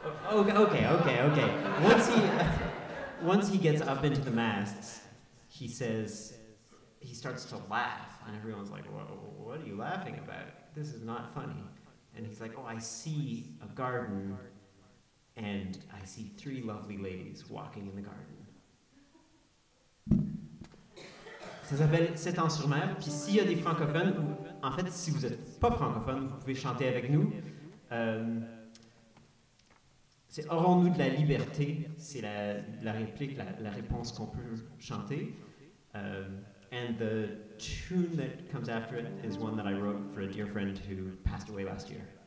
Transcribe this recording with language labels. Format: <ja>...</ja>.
<en>Okay. Once he gets up into the masts, he says... He starts to laugh, and everyone's like, what are you laughing about? This is not funny. And he's like, oh, I see a garden, and I see three lovely ladies walking in the garden.</en> <fr>Ça s'appelle Sept Ans sur Mer. Puis s'il y a des francophones, ou en fait, si vous n'êtes pas francophone, vous pouvez chanter avec nous. C'est aurons-nous de la liberté? C'est la réplique, la réponse qu'on peut chanter.</fr> <en>And the tune that comes after it is one that I wrote for a dear friend who passed away last year.</en>